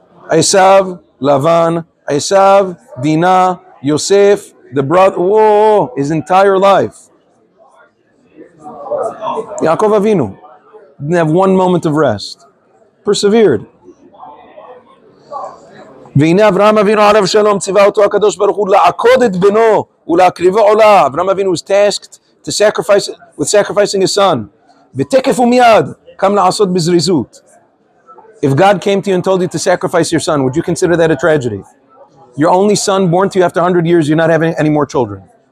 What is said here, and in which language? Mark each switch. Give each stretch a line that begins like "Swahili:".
English: Esav, Lavan, Esav, Dina, Yosef, the brother, whoa, his entire life. Yaakov Avinu, didn't have one moment of rest. Persevered.
Hebrew: והנה אברהם אבינו עליו שלום ציווה אותו הקדוש ברוך הוא לעקוד את בנו ולהקריבו עולה.
English: אברהם אבינו was tasked to sacrifice, with sacrificing his son.
Hebrew: ותקף ומיד, קם לעשות בזריזות.
English: If God came to you and told you to sacrifice your son, would you consider that a tragedy? your only son born to you after 100 years, you're not having any more children.